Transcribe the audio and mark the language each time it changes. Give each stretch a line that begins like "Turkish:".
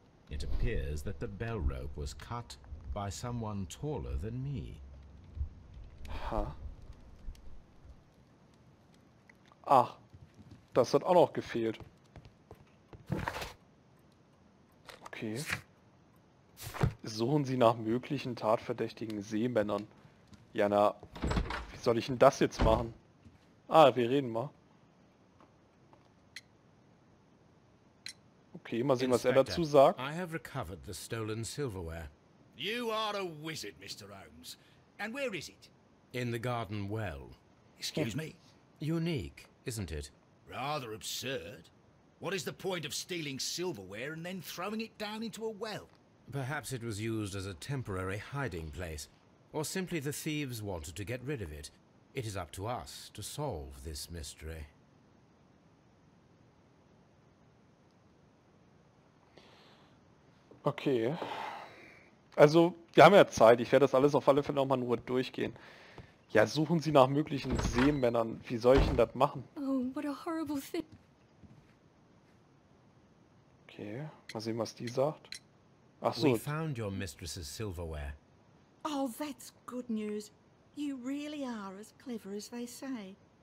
English: It appears that the bell rope was cut by someone taller than me. Ha.
German: Ach, das hat auch noch gefehlt. Okay. Suchen Sie nach möglichen tatverdächtigen Seemännern. Ja, na, wie soll ich denn das jetzt machen? Ah, wir reden mal. Okay, mal sehen, was er dazu sagt.
English: I have recovered the stolen silverware. You are a wizard, Mr. Holmes. And where is it? In the garden well. Excuse me? Unique, isn't it? Rather absurd. What is the point of stealing silverware and then throwing it down into a well? Perhaps it was used as a temporary hiding place. Or simply the thieves wanted to get rid of it. It is up to us to solve this mystery.
German: Okay. Also, wir haben ja Zeit. Ich werde das alles auf alle Fälle nochmal nur durchgehen. Ja, suchen Sie nach möglichen Seemännern. Wie soll ich denn das machen?
English: Oh, what a horrible thing.
German: Okay, mal sehen, was die sagt. Ach so.
English: We found your mistress's silverware. Oh, that's good news. You really are as clever as they say.